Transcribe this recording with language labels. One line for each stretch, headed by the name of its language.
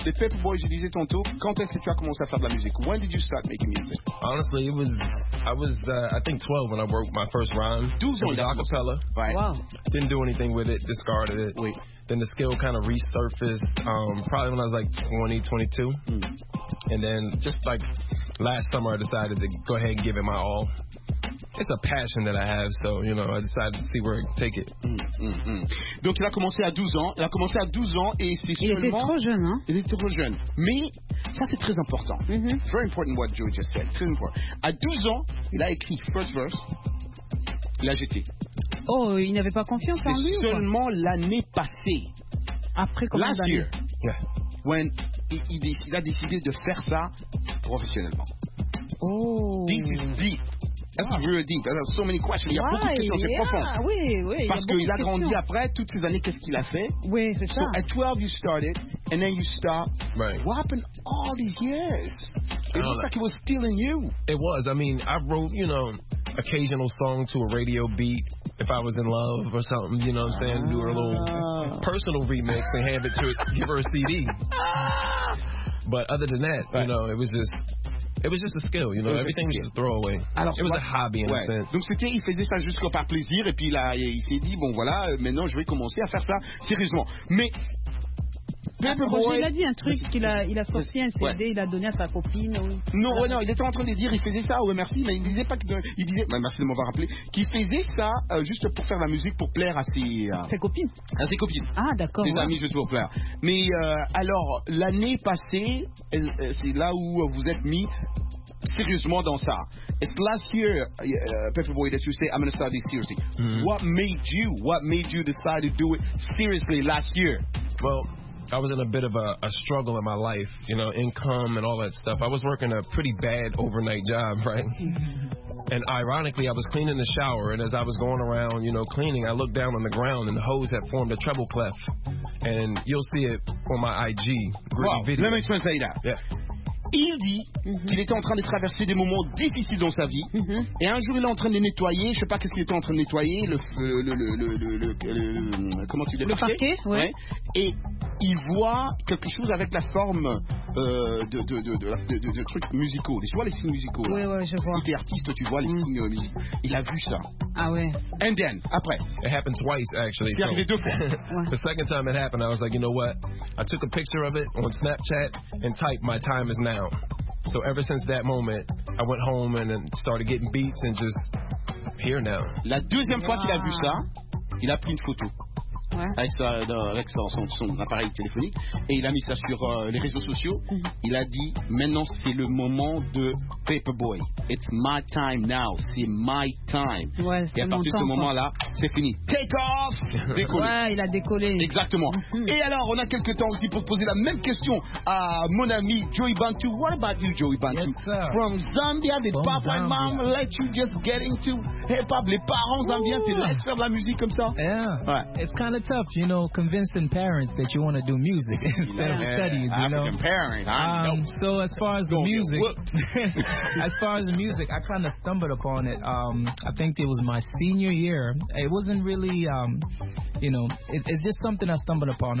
French: Mais Paperboy, je disais tantôt, quand est-ce que tu as commencé à faire de la musique?
English: When did you start making music? Honestly, I think 12 when I wrote my first rhyme. 12 was a cappella. Right. Wow. Didn't do anything with it, discarded it. Wait. Then the skill kind of resurfaced probably when I was like 20, 22. And then just like last summer, I decided to go ahead and give it my all. It's a passion that I have, so, you know, I decided to see where I take it.
French: Donc, il a commencé à 12 ans. Il a commencé à 12 ans et c'est seulement... Il était trop jeune, hein? Il était trop jeune. Mais ça, c'est très important.
English: Very important what Joe just said.
French: Très important. À 12 ans, il a écrit first verse. Il a jeté. Oh, il n'avait pas confiance en lui ou quoi? C'est seulement l'année passée. Après combien d'années?
English: Last year. Yeah.
French: When il a décidé de faire ça professionnellement. Oh.
English: This is deep. Everything. There are so many questions.
French: Il y a beaucoup de questions. C'est profond. Oui, oui. Parce qu'il a grandi après toutes ces années. Qu'est-ce qu'il a fait? Oui, c'est ça.
English: So at 12, you started, and then you stopped. Right. What happened all these years? It looks like it was still in you. It was. I mean, I wrote, you know, occasional song to a radio beat. If I was in love or something, you know what I'm saying? Do her a little personal remix and hand it to her, give her a CD. But other than that, you know, it was just a skill, you know. Everything was just a throwaway. Alors, it was a hobby in a sense.
French: Donc c'était, il faisait ça juste par plaisir, et puis là, il s'est dit, bon voilà, maintenant je vais commencer à faire ça sérieusement. Mais il a dit un truc, qu'il a sorti un CD, il a donné à sa copine. Non, il était en train de dire, il faisait ça, oui merci, mais il disait pas qu'il disait, merci de m'avoir rappelé, qu'il faisait ça juste pour faire la musique, pour plaire à ses copines. Ah d'accord. Ses amis, juste pour plaire. Mais alors, l'année passée, c'est là où vous êtes mis sérieusement dans ça.
English: It's last year, Pepper Boy, that you say, I'm going to start this seriously. Mm-hmm. What made you decide to do it seriously last year? Well, I was in a bit of a struggle in my life, you know, income and all that stuff. I was working a pretty bad overnight job, right? And ironically, I was cleaning the shower, and as I was going around, you know, cleaning, I looked down on the ground, and the hose had formed a treble clef. And you'll see it on my IG. Wow, video. Let me translate that. Yeah.
French: Il dit qu'il était en train de traverser des moments difficiles dans sa vie. Et un jour, il est en train de nettoyer. Je sais pas qu'est-ce qu'il était en train de nettoyer. Le parquet. Ouais. Et il voit quelque chose avec la forme de trucs musicaux. Tu vois les signes musicaux là. Oui, oui, je vois. Si t'es artiste, tu vois les signes musicaux. Il a vu ça. Ah ouais.
English: And then, après. It happened twice, actually.
French: C'est arrivé deux fois.
English: The second time it happened, I was like, you know what? I took a picture of it on Snapchat and typed, my time is now. So ever since that moment, I went home and started getting beats and just here now.
French: La deuxième fois qu'il a vu ça, il a pris une photo. Ouais. Avec son appareil téléphonique, et il a mis ça sur les réseaux sociaux. Il a dit, maintenant c'est le moment de Paperboy.
English: It's my time now. C'est my time.
French: Ouais, c'est et à partir de ce moment-là, c'est fini. Take off. Décollé. Ouais, il a décollé. Exactement. Et alors, on a quelques temps aussi pour poser la même question à mon ami Joey Bantu.
English: What about you, Joey Bantu? Yes, sir. From Zambia, did papa and mom let you just get into hip-hop?
French: Les parents zambiens, t'es laissé faire de la musique comme ça?
English: Yeah.
French: Ouais.
English: It's kind of tough, you know, convincing parents that you want to do music instead of studies, you know. So as far as the music, I kind of stumbled upon it. I think it was my senior year. It wasn't really, you know, it's just something I stumbled upon.